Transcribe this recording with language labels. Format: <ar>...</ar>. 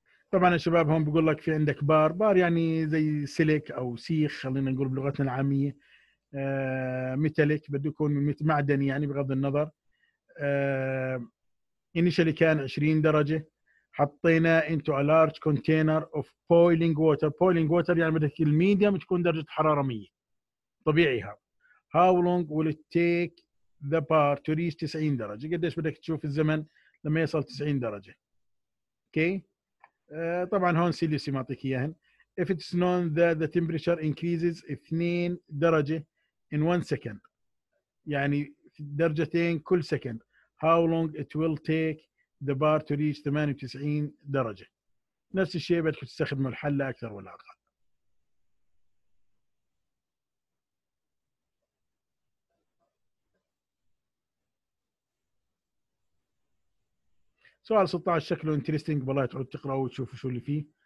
<ar>طبعا الشباب هون بيقول لك في عندك بار، بار يعني زي سلك أو سيخ، خلينا نقول بلغتنا العامية ميتاليك، بده يكون معدني يعني بغض النظر. انيشالي كان 20 درجة، حطينا</ar> <en>into a large container of boiling water.</en> <ar>Boiling water يعني بدك الميديم تكون درجة حرارة 100 طبيعيها.</ar> <en>How long will it take the bar to reach 90 درجة؟</en> <ar>قديش بدك تشوف الزمن لما يصل 90 درجة؟</ar> <en>okay.</en> <ar>طبعا هون سيليسي معطيك اياهن.</ar> <en>If it's known that the temperature increases 2 درجة in 1 second،</en> <ar>يعني درجتين كل</ar> <en>second، how long it will take the bar to reach 98 درجة؟</en> <ar>نفس الشيء بدك تستخدم الحل لا أكثر ولا أقل. سؤال 16 شكله</ar> <en>interesting</en> <ar>بالله، تعود تقرأه وتشوف شو اللي فيه.</ar>